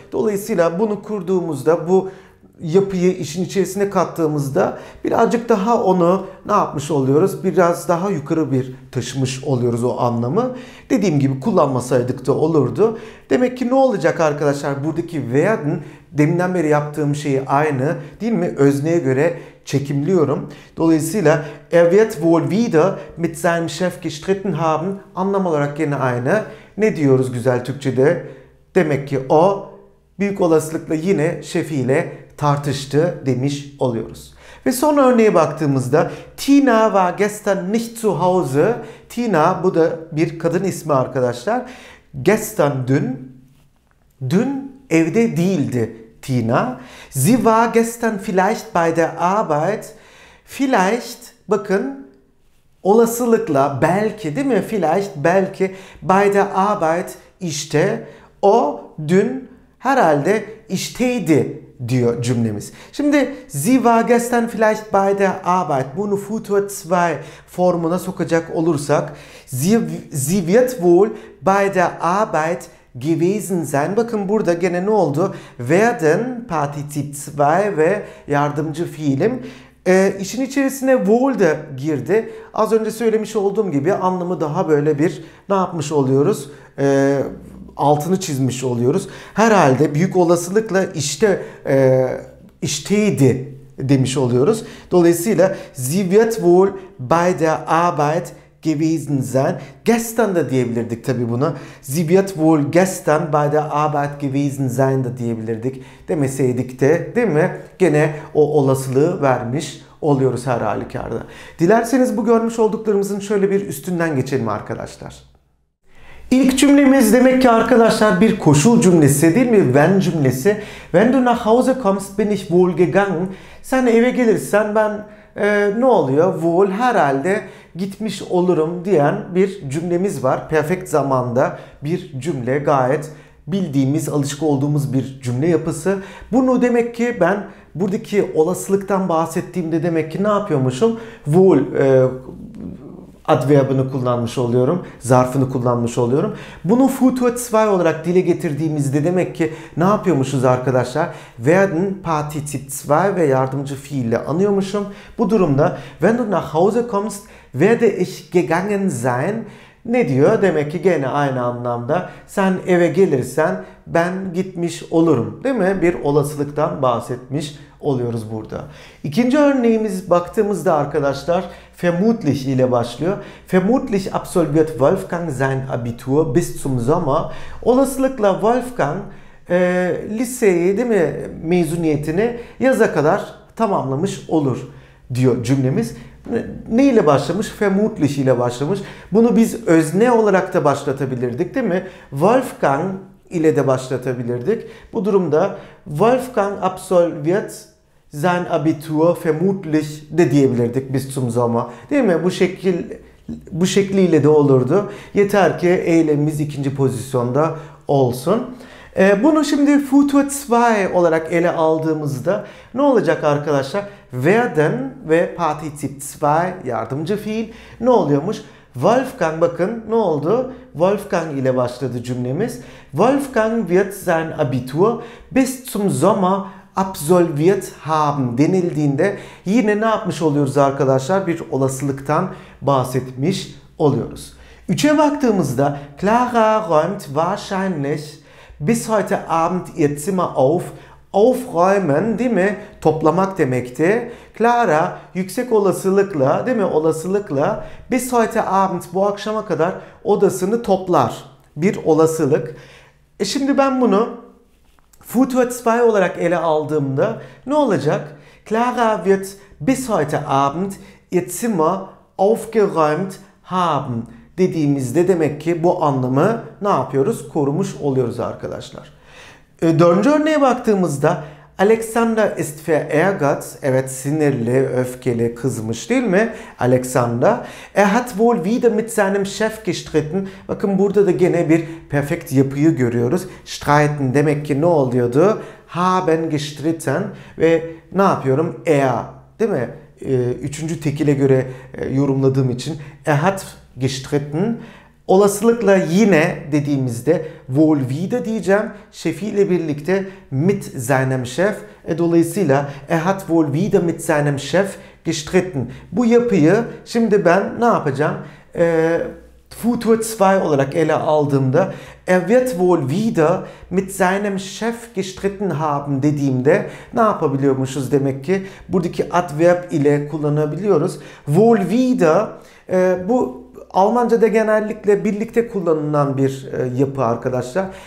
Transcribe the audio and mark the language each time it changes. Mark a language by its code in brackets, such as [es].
[tr] Dolayısıyla bunu kurduğumuzda, bu yapıyı işin içerisine kattığımızda birazcık daha onu ne yapmış oluyoruz? Biraz daha yukarı bir taşımış oluyoruz o anlamı. Dediğim gibi kullanmasaydık da olurdu. Demek ki ne olacak arkadaşlar? Buradaki werden, deminden beri yaptığım şeyi aynı değil mi? Özneye göre çekimliyorum. Dolayısıyla [de] er wird wohl wieder mit seinem Chef gestritten haben [tr] anlam olarak yine aynı. Ne diyoruz güzel Türkçe'de? Demek ki o büyük olasılıkla yine şefiyle tartıştı demiş oluyoruz. Ve son örneğe baktığımızda [de] Tina war gestern nicht zu Hause. [tr] Tina, bu da bir kadın ismi arkadaşlar. Gestern, dün. Dün evde değildi Tina. [de] Sie war gestern vielleicht bei der Arbeit. [tr] Vielleicht, bakın, olasılıkla, belki, değil mi? Vielleicht, belki, [de] bei der Arbeit, [tr] işte. O dün herhalde işteydi diyor cümlemiz. Şimdi [de] sie war gestern vielleicht bei der Arbeit. [tr] Bunu Futur 2 formuna sokacak olursak [de] sie wird wohl bei der Arbeit gewesen sein. [tr] Bakın burada gene ne oldu? Werden Partizip 2 ve yardımcı fiilim. İşin içerisine wohl de girdi. Az önce söylemiş olduğum gibi anlamı daha böyle bir ne yapmış oluyoruz? Altını çizmiş oluyoruz. Herhalde büyük olasılıkla işte işteydi demiş oluyoruz. Dolayısıyla [de] sie wird wohl bei der Arbeit gewesen sein. [tr] Gestern de diyebilirdik tabii buna. [de] Sie wird wohl gestern bei der Arbeit gewesen sein [tr] de diyebilirdik. Demeseydik de değil mi? Gene o olasılığı vermiş oluyoruz her halükarda. Dilerseniz bu görmüş olduklarımızın şöyle bir üstünden geçelim arkadaşlar. İlk cümlemiz demek ki arkadaşlar bir koşul cümlesi değil mi? Wenn cümlesi. [de] Wenn du nach Hause kommst, bin ich wohl gegangen. [tr] Sen eve gelirsen ben ne oluyor? Wohl herhalde gitmiş olurum diyen bir cümlemiz var. Perfekt zamanda bir cümle, gayet bildiğimiz, alışık olduğumuz bir cümle yapısı. Bunu demek ki ben buradaki olasılıktan bahsettiğimde demek ki ne yapıyormuşum? Wohl adverbini kullanmış oluyorum. Zarfını kullanmış oluyorum. Bunu Futur 2 olarak dile getirdiğimizde demek ki ne yapıyormuşuz arkadaşlar? Werden Partizip 2 ve yardımcı fiille anıyormuşum. Bu durumda [de] wenn du nach Hause kommst, werde ich gegangen sein. [tr] Ne diyor? Demek ki gene aynı anlamda. Sen eve gelirsen ben gitmiş olurum. Değil mi? Bir olasılıktan bahsetmiş oluyoruz burada. İkinci örneğimiz baktığımızda arkadaşlar vermutlich ile başlıyor. [de] Vermutlich absolviert Wolfgang sein Abitur bis zum Sommer. [tr] Olasılıkla Wolfgang liseyi değil mi, mezuniyetini yaza kadar tamamlamış olur diyor cümlemiz. Ne ile başlamış? Vermutlich ile başlamış. Bunu biz özne olarak da başlatabilirdik değil mi? Wolfgang ile de başlatabilirdik. Bu durumda [de] Wolfgang absolviert sein Abitur vermutlich [tr] de diyebilirdik [de] bis zum Sommer. [tr] Değil mi? Bu şekliyle de olurdu. Yeter ki eylemimiz ikinci pozisyonda olsun. Bunu şimdi Futur 2 olarak ele aldığımızda ne olacak arkadaşlar? Werden ve Partizip 2 yardımcı fiil ne oluyormuş? Wolfgang, bakın ne oldu? Wolfgang ile başladı cümlemiz. [de] Wolfgang wird sein Abitur bis zum Sommer absolviert haben [tr] denildiğinde yine ne yapmış oluyoruz arkadaşlar? Bir olasılıktan bahsetmiş oluyoruz. Üçe baktığımızda [de] Clara räumt wahrscheinlich bis heute Abend ihr Zimmer auf. [tr] Aufräumen değil mi? Toplamak demekti. Clara yüksek olasılıkla değil mi? Olasılıkla [de] bis heute Abend [tr] bu akşama kadar odasını toplar. Bir olasılık. Şimdi ben bunu Futur 2 olarak ele aldığımda ne olacak? [de] Clara wird bis heute Abend ihr Zimmer aufgeräumt haben [tr] dediğimizde demek ki bu anlamı ne yapıyoruz? Korumuş oluyoruz arkadaşlar. Dördüncü örneğe baktığımızda [de] Alexander ist verärgert. [tr] Evet, sinirli, öfkeli, kızmış değil mi Alexander? [de] Er hat wohl wieder mit seinem Chef gestritten. [tr] Bakın burada da gene bir perfekt yapıyı görüyoruz. Streiten demek ki ne oluyordu? [de] Haben gestritten [tr] ve ne yapıyorum? Er, değil mi? Üçüncü tekile göre yorumladığım için [de] er hat gestritten. [tr] Olasılıkla yine dediğimizde [de] wohl wieder [tr] diyeceğim. Şefiyle birlikte [de] mit seinem Chef. [tr] Dolayısıyla [de] er hat wohl wieder mit seinem Chef gestritten. [tr] Bu yapıyı şimdi ben ne yapacağım? Futur 2 olarak ele aldığımda [de] er wird wohl wieder mit seinem Chef gestritten haben [tr] dediğimde ne yapabiliyormuşuz demek ki? Buradaki adverb ile kullanabiliyoruz. [de] Wohl wieder [tr] bu Almanca'da genellikle birlikte kullanılan bir yapı arkadaşlar.